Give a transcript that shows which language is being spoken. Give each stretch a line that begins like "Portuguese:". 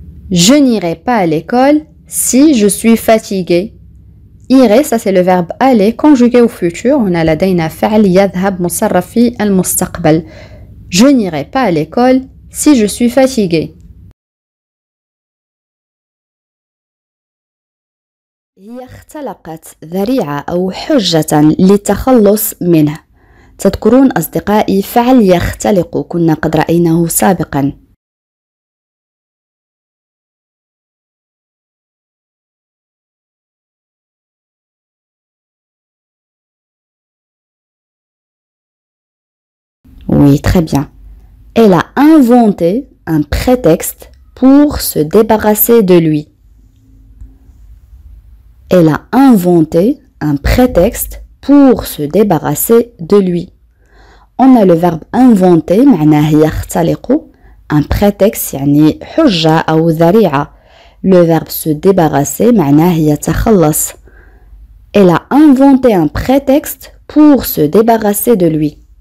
French: Je n'irai pas à l'école si je suis fatigué. Irai, ça c'est le verbe aller conjugué au futur. On a
Arabic: la deyna fa'l yadhab musarrafi al mustaqbal.
French: Je n'irai pas à l'école si je suis fatigué.
Arabic: هي اختلقت ذريعة أو حجة للتخلص منه. تذكرون أصدقائي فعل يختلق كنا قد رأيناه سابقا.
French: Oui, très bien. Elle a inventé un prétexte pour se débarrasser de lui. Elle a inventé un prétexte pour se débarrasser de lui. On a le verbe inventer,
Arabic: معناه يختلق.
French: Un prétexte,
Arabic: يعني حجة أو ذريعة.
French: Le verbe se débarrasser,
Arabic: معناه يتخلص.
French: Elle a inventé un prétexte pour se débarrasser de lui.